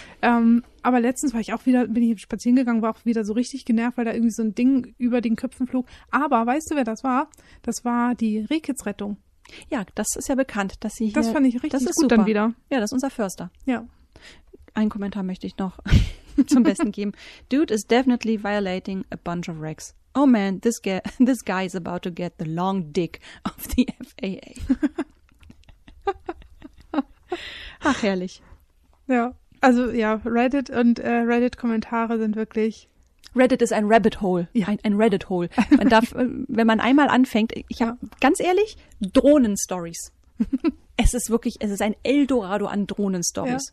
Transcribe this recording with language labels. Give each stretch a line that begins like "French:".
German: Aber letztens war ich auch wieder, bin ich spazieren gegangen, war auch wieder so richtig genervt, weil da irgendwie so ein Ding über den Köpfen flog. Aber weißt du, wer das war? Das war die Rehkitzrettung. Ja, das ist ja bekannt, dass sie hier... Das fand ich richtig das ist gut super. Dann wieder. Ja, das ist unser Förster. Ja. Einen Kommentar möchte ich noch zum Besten geben.
English: Dude is definitely violating a bunch of regs. Oh man, this guy is about to get the long dick of the FAA.
German: Ach, herrlich. Ja, also ja, Reddit und Reddit-Kommentare sind wirklich... Reddit ist ein Rabbit Hole, ja. Ein Reddit Hole. Man darf, wenn man einmal anfängt, ich habe ganz ehrlich, Drohnen-Stories. Es ist wirklich, es ist ein Eldorado an Drohnen-Stories.